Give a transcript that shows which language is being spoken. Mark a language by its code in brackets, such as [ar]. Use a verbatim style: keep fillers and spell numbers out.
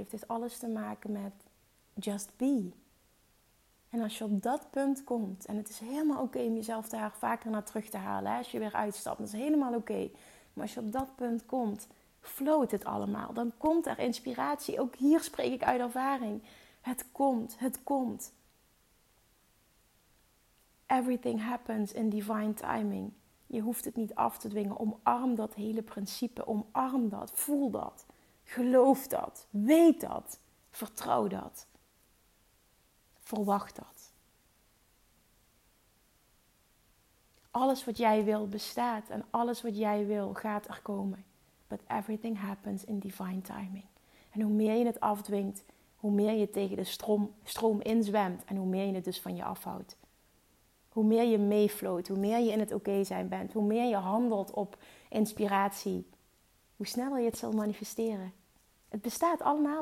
[nl] Het heeft dus alles te maken met [en] just be. [nl] En als je op dat punt komt, en het is helemaal oké okay om jezelf daar vaker naar terug te halen. Hè, als je weer uitstapt, dat is helemaal oké. Okay. Maar als je op dat punt komt... Float het allemaal. Dan komt er inspiratie. Ook hier spreek ik uit ervaring. Het komt. Het komt. [en] Everything happens in divine timing. [nl] Je hoeft het niet af te dwingen. Omarm dat hele principe. Omarm dat. Voel dat. Geloof dat. Weet dat. Vertrouw dat. Verwacht dat. Alles wat jij wil bestaat. En alles wat jij wil gaat er komen. [en] But everything happens in divine timing. [nl] En hoe meer je het afdwingt, hoe meer je tegen de stroom, stroom inzwemt. En hoe meer je het dus van je afhoudt. Hoe meer je meefloot, hoe meer je in het oké zijn bent. Hoe meer je handelt op inspiratie. Hoe sneller je het zal manifesteren. Het bestaat allemaal.